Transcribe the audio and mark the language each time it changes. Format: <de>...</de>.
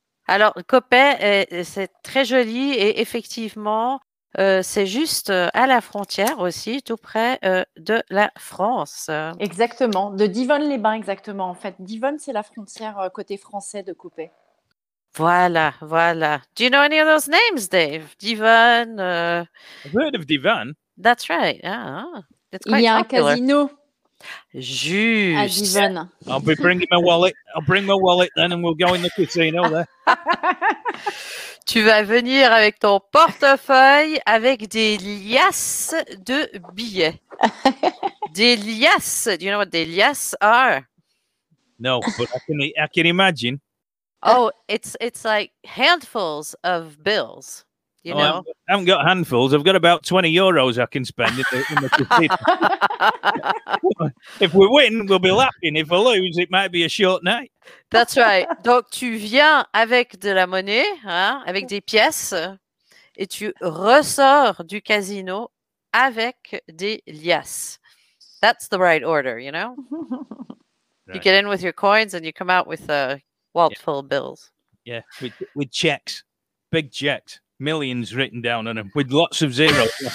<fr>Alors, Coppet, c'est très joli et effectivement, c'est juste à la frontière aussi, tout près de la France. Exactement, de Divonne-les-Bains exactement. En fait, Divonne, c'est la frontière côté français de Coppet. Voilà, voilà.</fr> <en>Do you know any of those names, Dave? Divonne I've heard of Divonne. That's right. Ah,</en> <fr>il y a</fr> <en>popular.</en> <fr>Un casino. Juste.</fr> <en>I'll be bringing my wallet. I'll bring my wallet then, and we'll go in the casino there.</en> <fr>Tu vas venir avec ton portefeuille avec des liasses de billets.</fr> <en>Des liasses. Do you know what des liasses are? No, but I can imagine. Oh, it's like handfuls of bills. You know? I haven't got handfuls. I've got about 20 euros I can spend in the casino. If we win, we'll be laughing. If we lose, it might be a short night. That's right.</en> <fr>Donc, tu viens avec de la monnaie, hein, avec des pièces, et tu ressors du casino avec des liasses.</fr> <en>That's the right order, you know? Right. You get in with your coins and you come out with a wallet full of bills. Yeah, with checks, big checks. Millions written down on them with lots of zeros.</en>